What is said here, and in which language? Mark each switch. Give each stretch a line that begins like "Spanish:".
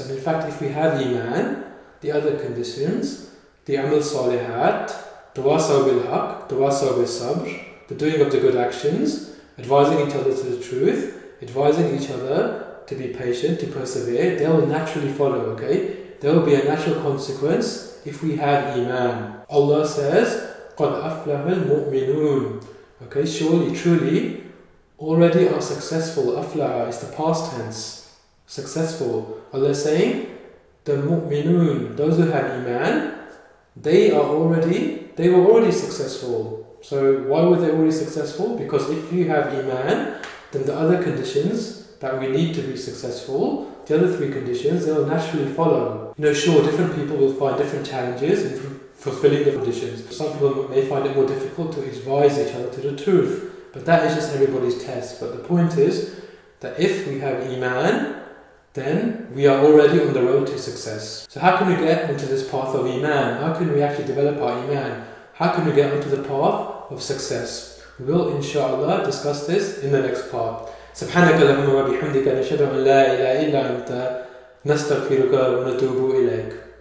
English: And in fact, if we have Iman, the other conditions, the Amal Salihat, Tawasaw Bilhaq, Tawasaw Bilsabr, the doing of the good actions, advising each other to the truth, advising each other to be patient, to persevere, they will naturally follow, okay? There will be a natural consequence if we have Iman. Allah says,
Arabic: قَدْ أَفْلَحَ الْمُؤْمِنُونَ.
English: Okay, surely, truly, already are successful. أَفْلَحَ is the past tense, successful. Allah is saying, the mu'minun, those who have Iman, they were already successful. So why were they already successful? Because if you have Iman, then the other conditions that we need to be successful, the other three conditions, they will naturally follow. You know, sure, different people will find different challenges and fulfilling the conditions. Some people may find it more difficult to advise each other to the truth, but that is just everybody's test. But the point is that if we have Iman, then we are already on the road to success. So how can we get onto this path of Iman? How can we actually develop our Iman? How can we get onto the path of success? We will, inshallah, discuss this in the next part.
Arabic: سبحانك اللهم وبحمدك نشهد أن لا إله إلا أنت نستغفرك ونتوب إليك.